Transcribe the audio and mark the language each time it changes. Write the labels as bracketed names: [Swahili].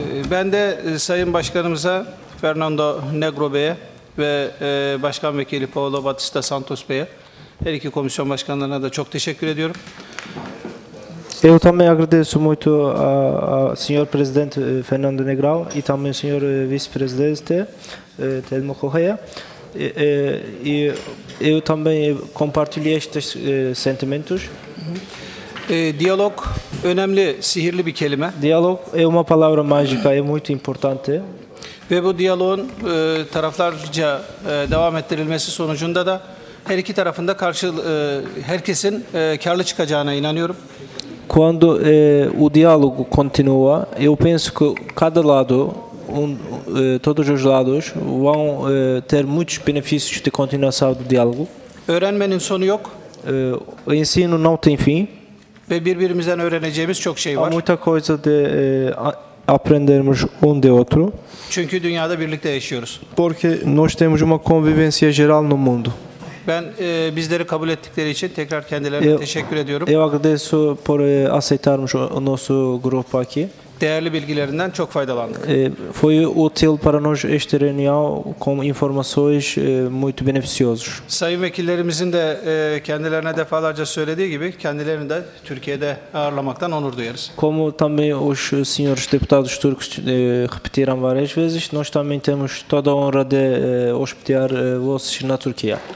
[Turkish] Ben de Sayın Başkanımıza Fernando Negro Bey'e ve Başkan Vekili Paulo Batista Santos Bey'e, her iki komisyon başkanlarına da çok teşekkür ediyorum. [Portuguese] Eu também agradeço muito a senhor presidente Fernando Negrão e também ao senhor vice-presidente Telmo Correa. E eu também compartilho estes sentimentos. [Turkish] Diálogo, önemli, sihirli bir kelime. [Portuguese] Diálogo é uma palavra mágica, é muito importante. [Turkish] Ve bu diyaloğun taraflarca devam ettirilmesi sonucunda da her iki tarafında karşı herkesin karlı çıkacağına inanıyorum. [Portuguese] Quando o diálogo continua, eu penso que cada lado, todos os lados, vão ter muitos benefícios de continuação do diálogo. [Turkish] Öğrenmenin sonu yok. [Portuguese] O ensino não tem fim. [Turkish] Ve birbirimizden öğreneceğimiz çok şey var. [Portuguese] Há muita coisa de aprendermos de outro. [Turkish] Çünkü dünyada birlikte yaşıyoruz. [Portuguese] Porque nós temos uma convivência geral no mundo. [Turkish] Ben bizleri kabul ettikleri için tekrar kendilerine teşekkür ediyorum. [Portuguese] Eu agradeço por aceitarmos o nosso grupo aqui. [Turkish] Değerli bilgilerinden çok faydalandık. [Portuguese] Foi útil para nós este reunião com informações muito beneficiosas. [Turkish] Sayın vekillerimizin de kendilerine defalarca söylediği gibi kendilerini de Türkiye'de ağırlamaktan onur duyarız. [Portuguese] Como também os senhores deputados turcos repetiram várias vezes, nós também temos toda a honra de hospedar vocês na Turquia.